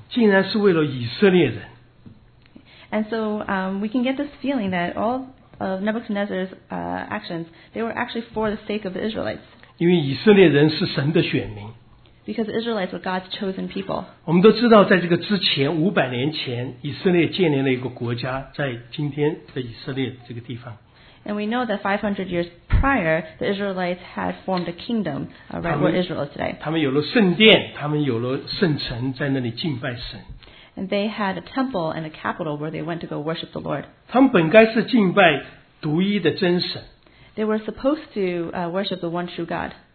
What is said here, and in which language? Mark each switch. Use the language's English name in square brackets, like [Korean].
[Chinese] 当我们看到这些的时候，其实我们心里一定也会明白，巴比伦帝国的兴起，尼布甲尼撒王的兴起，竟然是为了以色列人。 [English] And so we can get this feeling that all of Nebuchadnezzar's actions, they were actually for the sake of the Israelites. [Chinese] 因为以色列人是神的选民。 [English] Because the Israelites were God's chosen people. [Chinese] 我们都知道，在这个之前500年前，以色列建立了一个国家，在今天的以色列这个地方。 [English] And we know that 500 years prior, the Israelites had formed a kingdom right where Israel is today. [Chinese] 他们有了圣殿，他们有了圣城，在那里敬拜神。 [English] And they had a temple and a capital where they went to go worship the Lord. [Chinese] 他们本该是敬拜独一的真神。 [English] They were supposed to worship the one true God.